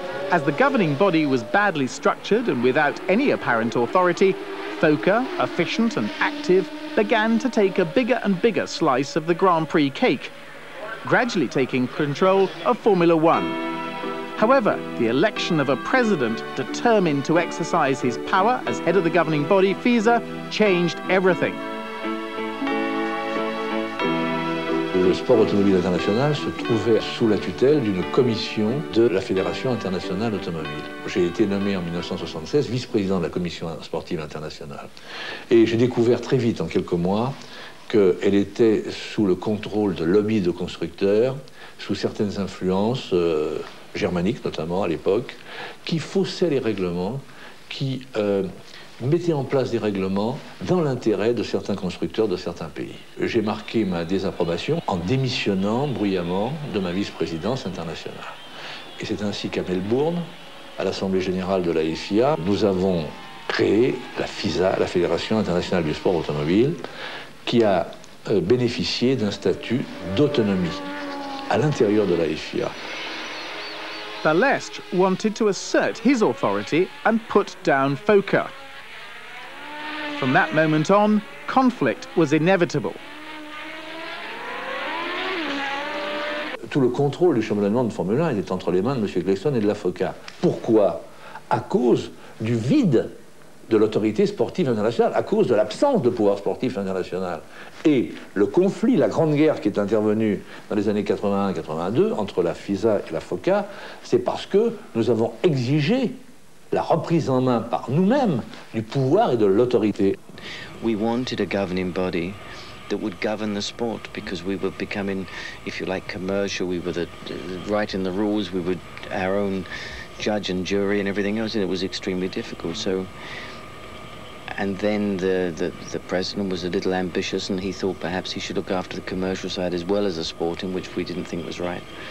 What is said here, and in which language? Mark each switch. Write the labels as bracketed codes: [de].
[en] As the governing body was badly structured and without any apparent authority, FOCA, efficient and active, began to take a bigger and bigger slice of the Grand Prix cake, gradually taking control of Formula One. However, the election of a president determined to exercise his power as head of the governing body, FISA, changed everything. [fr] Le sport automobile international se trouvait sous la tutelle d'une commission de la Fédération internationale automobile. J'ai été nommé en 1976 vice-président de la commission sportive internationale. Et j'ai découvert très vite, en quelques mois, qu'elle était sous le contrôle de lobbies de constructeurs, sous certaines influences germaniques notamment à l'époque, qui faussaient les règlements, qui mettaient en place des règlements dans l'intérêt de certains constructeurs de certains pays. J'ai marqué ma désapprobation en démissionnant bruyamment de ma vice-présidence internationale. Et c'est ainsi qu'à Melbourne, à l'Assemblée générale de la FIA, nous avons créé la FISA, la Fédération internationale du sport automobile, qui a bénéficié d'un statut d'autonomie à l'intérieur de la FIA. [en] Balestre wanted to assert his authority and put down FOCA. From that moment on, conflict was inevitable. [fr] Tout le contrôle du championnat de Formule 1 était entre les mains de M. Gleeson et de la FOCA. Pourquoi? À cause du vide de l'autorité sportive internationale, à cause de l'absence de pouvoir sportif international. Et le conflit, la grande guerre qui est intervenue dans les années 81-82 entre la FISA et la FOCA, c'est parce que nous avons exigé la reprise en main par nous-mêmes du pouvoir et de l'autorité. [en] We wanted a governing body that would govern the sport because we were becoming, if you like, commercial. We were writing the rules, we were our own judge and jury and everything else, and it was extremely difficult. So, and then the president was a little ambitious, and he thought perhaps he should look after the commercial side as well as the sporting, which we didn't think was right.